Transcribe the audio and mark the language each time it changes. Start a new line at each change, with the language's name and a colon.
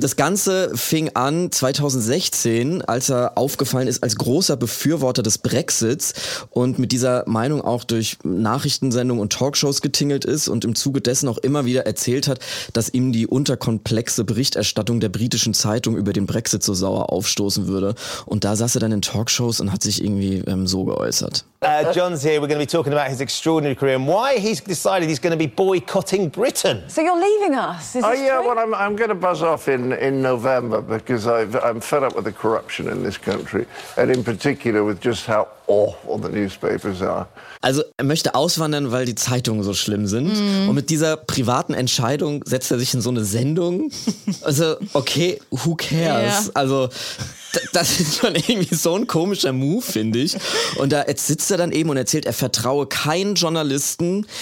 German: Das Ganze fing an 2016, als er aufgefallen ist als großer Befürworter des Brexits und mit dieser Meinung auch durch Nachrichtensendungen und Talkshows getingelt ist und im Zuge dessen auch immer wieder erzählt hat, dass ihm die unterkomplexe Berichterstattung der britischen Zeitung über den Brexit so sauer aufstoßen würde. Und da saß er dann in Talkshows und hat sich irgendwie so geäußert.
English: John's here. We're going to be talking about his extraordinary career and why he's decided he's going to be boycotting Britain. So you're leaving us? Well, I'm going to buzz off in November because I'm fed up with the corruption in this country, and in particular with just how awful the newspapers are.
German: Also, er möchte auswandern, weil die Zeitungen so schlimm sind. Mm. Und mit dieser privaten Entscheidung setzt er sich in so eine Sendung. Also, okay,
English: who cares? Yeah.
German: Also, das ist schon irgendwie so ein komischer Move, finde ich. Und da sitzt er dann eben und erzählt, er vertraue keinen Journalisten.